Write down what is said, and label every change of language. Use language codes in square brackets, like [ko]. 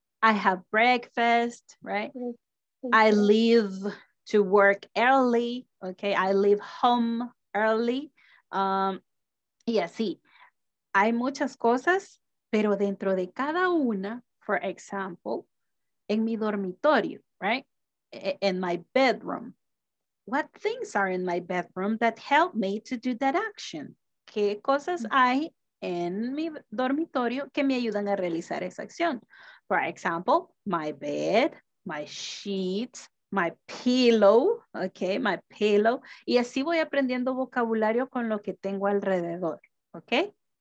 [en] I have breakfast, right? Makeup. I leave to work early, okay? I leave home early. [es] Y así. Hay muchas cosas, pero dentro de cada una, [en] for example, [es] en mi dormitorio, right? [en] In my bedroom. What things are in my bedroom that help me to do that action? [es] ¿Qué cosas hay en mi dormitorio que me ayudan a realizar esa acción? [en] For example, my bed, my sheets, my pillow, okay, my pillow. [es] Y así voy aprendiendo vocabulario con lo que tengo alrededor, okay?